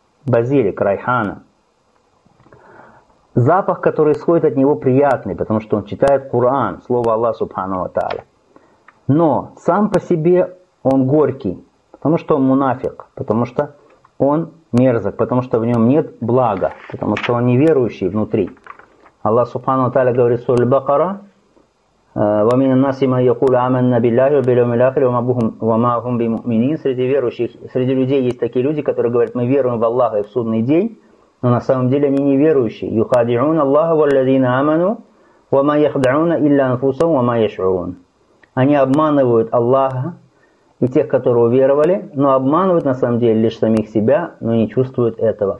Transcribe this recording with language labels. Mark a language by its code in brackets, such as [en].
[ru] Базилик, райхана. Запах, который исходит от него, приятный, потому что он читает Коран, слово Аллах Субхану ва Тааля. Но сам по себе он горький, потому что он мунафик, потому что он мерзок, потому что в нем нет блага, потому что он неверующий внутри. Аллах Субхану ва Тааля говорит в суре Аль-Бакара: [ar] وَمِنَ النَّاسِ مَنْ يَقُولُ آمَنَّا بِاللَّهِ وَبِالْيَوْمِ الْآخِرِ وَمَا هُمْ بِمُؤْمِنِينَ. [ru] Среди верующих, среди людей есть такие люди, которые говорят, мы веруем в Аллаха и в Судный день, но на самом деле они неверующие. [ar] يُخَادِعُونَ اللَّهَ وَالَّذِينَ آمَنُوا وَمَا يَخْدَعُونَ إِلَّا أَنفُسَهُمْ وَمَا يَشْعُرُونَ. [ru] Они обманывают Аллаха и тех, которые уверовали, но обманывают на самом деле лишь самих себя, но не чувствуют этого.